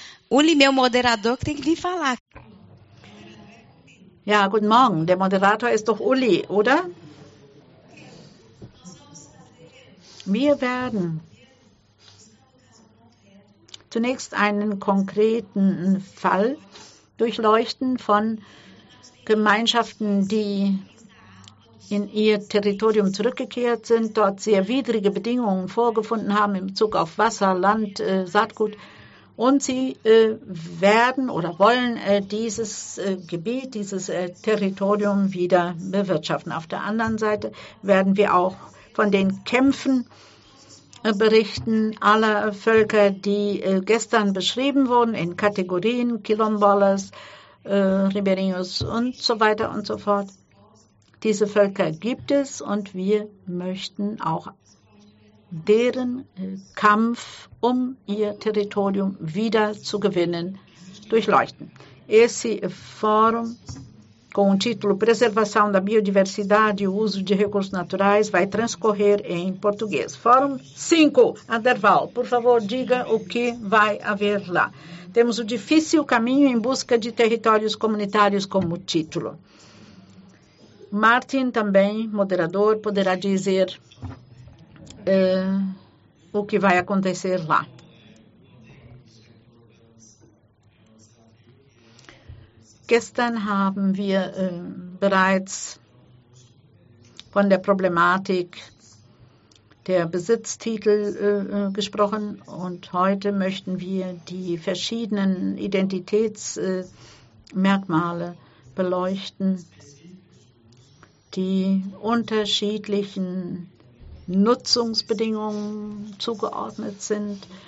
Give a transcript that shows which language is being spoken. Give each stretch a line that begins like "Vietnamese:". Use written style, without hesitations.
Portuguese: Uli, meu moderador, que tem que vir falar.
German: Ja, guten Morgen. Der Moderator ist doch Uli, oder? Wir werden zunächst einen konkreten Fall durchleuchten von Gemeinschaften, die in ihr Territorium zurückgekehrt sind, dort sehr widrige Bedingungen vorgefunden haben in Bezug auf Wasser, Land, Saatgut. Und sie werden oder wollen dieses Gebiet, dieses Territorium wieder bewirtschaften. Auf der anderen Seite werden wir auch von den Kämpfen berichten aller Völker, die gestern beschrieben wurden in Kategorien, Quilombolas, Ribeirinhos und so weiter und so fort. Diese Völker gibt es und wir möchten auch deren Kampf, um ihr Territorium wieder zu gewinnen, durchleuchten.
Portuguese: Esse Forum com o título Preservação da Biodiversidade e Uso de Recursos Naturais vai transcorrer em português. Fórum 5, Anderval, por favor, diga o que vai haver lá. Temos o difícil caminho em busca de territórios comunitários como título. Martin, também moderador, poderá dizer o que vai acontecer lá.
German: Gestern haben wir bereits von der Problematik der Besitztitel gesprochen und heute möchten wir die verschiedenen Identitätsmerkmale beleuchten, die unterschiedlichen Nutzungsbedingungen zugeordnet sind.